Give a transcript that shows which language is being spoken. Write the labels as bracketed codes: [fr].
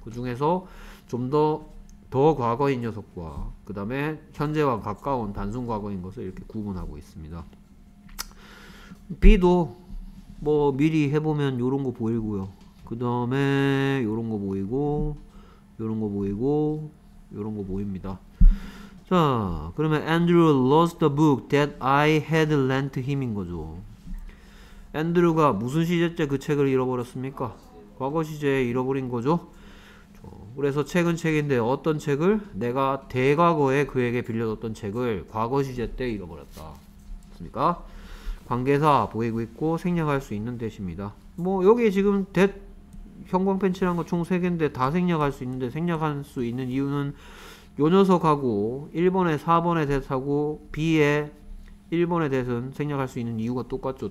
[ko] 그 중에서 좀 더 과거인 녀석과, 그 다음에 현재와 가까운 단순 과거인 것을 이렇게 구분하고 있습니다. B도 뭐 미리 해보면 요런 거 보이고요. 그 다음에 요런 거 보이고, 요런 거 보이고, 요런 거 보입니다. 자, 그러면 [en] Andrew lost the book that I had lent him인 거죠. [ko] 앤드류가 무슨 시제째 그 책을 잃어버렸습니까? 과거 시제에 잃어버린 거죠. 그래서 책은 책인데 어떤 책을? 내가 대과거에 그에게 빌려줬던 책을 과거 시제 때 잃어버렸다. 맞습니까? 관계사 보이고 있고 생략할 수 있는 대시입니다. 뭐 여기 지금 that 형광펜치란 거총 3개인데 다 생략할 수 있는데 생략할 수 있는 이유는 요 녀석하고 1번에 4번에 대사하고 B에 1번에 대해서는 생략할 수 있는 이유가 똑같죠.